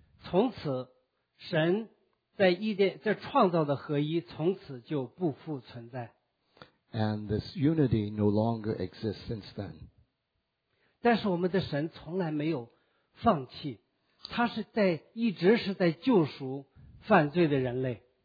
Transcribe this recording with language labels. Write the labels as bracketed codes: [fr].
[zh] 从此神在伊甸在创造的合一从此就不复存在。 [en] And this unity no longer exists since then. [zh] 但是我们的神从来没有放弃，他是在一直是在救赎犯罪的人类。